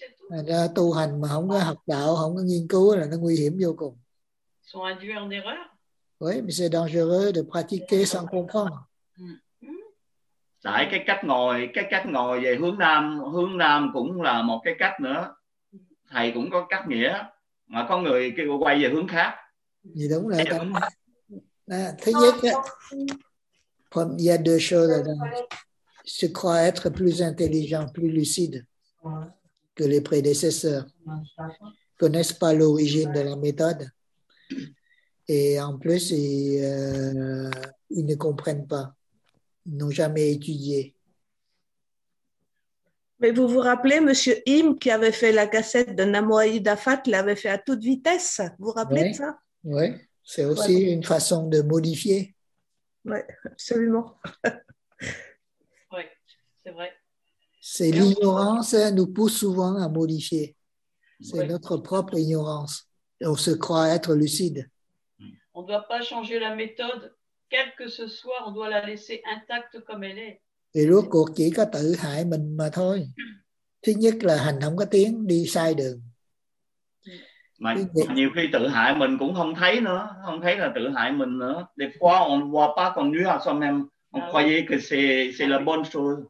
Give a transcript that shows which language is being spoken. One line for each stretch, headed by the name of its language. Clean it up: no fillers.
Vietnamese: Thành ra tu hành mà không có học đạo, không có nghiên cứu là nó nguy hiểm vô cùng.
French: Oui, mais c'est dangereux de pratiquer sans comprendre.
Vietnamese: Tại cái cách ngồi về hướng nam cũng là một cái cách nữa. Thầy cũng có cách nghĩa mà có người kêu quay về hướng khác. Thì đúng rồi. Thứ nhất,
French: il y a deux choses là, je crois être plus intelligent, plus lucide que les prédécesseurs, ne connaissent pas l'origine de la méthode, et en plus, ils ne comprennent pas, ils n'ont jamais étudié. Mais vous vous rappelez, Monsieur Im, qui avait fait la cassette de Namo Aïda Fat, l'avait fait à toute vitesse, vous vous rappelez oui. de ça? Oui. C'est aussi voilà. une façon de modifier. Oui, absolument. Oui, c'est vrai. C'est l'ignorance nous pousse souvent à modifier. C'est ouais. notre propre ignorance. On se croit être lucide. On ne doit pas changer la méthode. Quelle que ce soit, on doit la laisser intacte comme elle est.
Vietnamese: Thì rốt cuộc chỉ có tự hại mình mà thôi. Thứ nhất là hành không có tiếng, đi sai đường. Mà nhiều khi tự hại mình cũng không thấy nữa, không thấy là tự hại mình nữa.
French: Des fois on voit pas qu'on nuit à soi-même, on croyait que c'est la bonne chose.